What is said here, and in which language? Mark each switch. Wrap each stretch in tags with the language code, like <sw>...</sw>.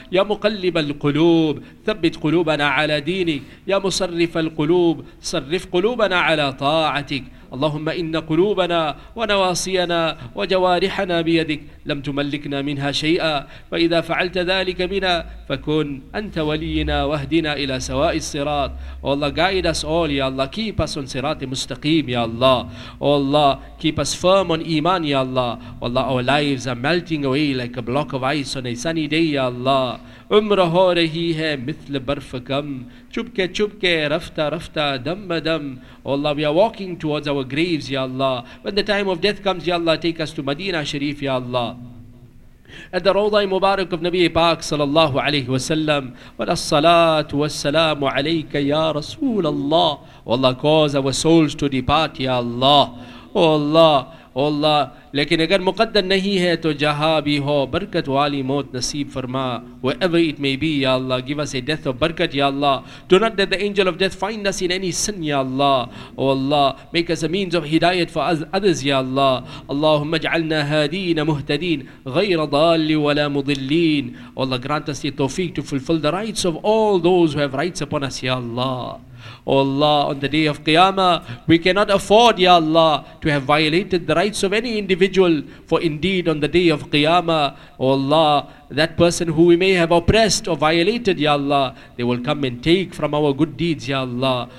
<ar>Ya muqallib القلوب ثبت قلوبنا على دينك يا مصرف القلوب صرف قلوبنا على طاعتك اللهم إن قلوبنا ونواصينا وجوارحنا بيدك لم تملكنا منها شيئا فإذا فعلت ذلك بنا فكن أنت ولينا واهدنا إلى سواء الصراط.</ar> <en>Oh Allah, guide us all, Ya Allah. Keep us on sirat mustaqim, Ya Allah. Oh Allah, keep us firm on iman, Ya Allah. Oh Allah, our lives are melting away like a block of ice on a sunny day, Ya Allah.</en> <ur>عمر ہو رہی ہے مثل برف کم چپکے چپکے رفتہ رفتہ دم مدم.</ur> <en>Oh Allah, we are walking towards our graves, Ya Allah. When the time of death comes, Ya Allah, take us to Medina Sharif, Ya Allah. At the Rawdah Mubarak of Nabi Pak sallallahu alayhi wa sallam.</en> <ar>Wa salatu wa salamu alayka ya Rasool Allah.</ar> <en>Oh Allah, cause our souls to depart, Ya Allah. Oh Allah, oh Allah,</en> <ur>لیکن اگر مقدر نہیں ہے تو جہاں بھی ہو برکت والی موت نصیب فرما.</ur> <en>Wherever it may be, Ya Allah, give us a death of barakat, Ya Allah. Do not let the angel of death find us in any sin, Ya Allah. Oh Allah, make us a means of hidayat for others, Ya Allah.</en> <ar>اللهم اجعلنا هادين مهتدين غير ضال ولا مضلين.</ar> <en>Oh Allah, grant us the tawfiq to fulfill the rights of all those who have rights upon us, Ya Allah. Oh Allah, on the day of Qiyamah, we cannot afford, Ya Allah, to have violated the rights of any individual. For indeed, on the day of Qiyamah, oh Allah, that person who we may have oppressed or violated, Ya Allah, they will come and take from our good deeds, Ya Allah.</en>